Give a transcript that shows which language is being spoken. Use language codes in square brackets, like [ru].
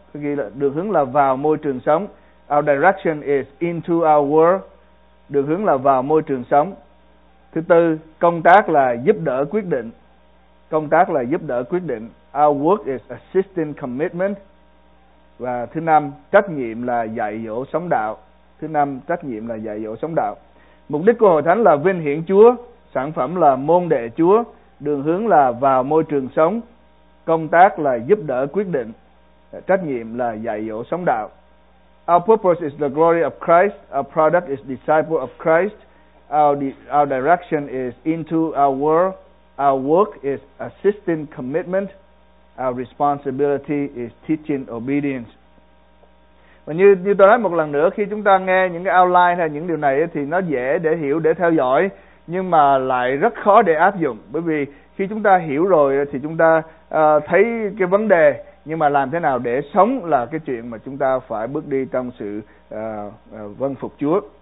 [vi] Ghi là đường hướng là vào môi trường sống. [en] Our direction is into our world. [vi] Đường hướng là vào môi trường sống. Thứ tư, công tác là giúp đỡ quyết định. Công tác là giúp đỡ quyết định. [en] Our work is assisting commitment. [vi] Và thứ năm, trách nhiệm là dạy dỗ sống đạo. Thứ năm, trách nhiệm là dạy dỗ sống đạo. Mục đích của hội thánh là vinh hiển Chúa. Sản phẩm là môn đệ Chúa. Đường hướng là vào môi trường sống. Công tác là giúp đỡ quyết định. Trách nhiệm là dạy dỗ sống đạo. [en] Our purpose is the glory of Christ. Our product is disciple of Christ. Our direction is into our world. Our work is assisting commitment. Our responsibility is teaching obedience. [vi] Và như tôi nói một lần nữa, khi chúng ta nghe những cái outline hay những điều này thì nó dễ để hiểu, để theo dõi, nhưng mà lại rất khó để áp dụng. Bởi vì khi chúng ta hiểu rồi thì chúng ta thấy cái vấn đề, nhưng mà làm thế nào để sống là cái chuyện mà chúng ta phải bước đi trong sự vâng phục Chúa.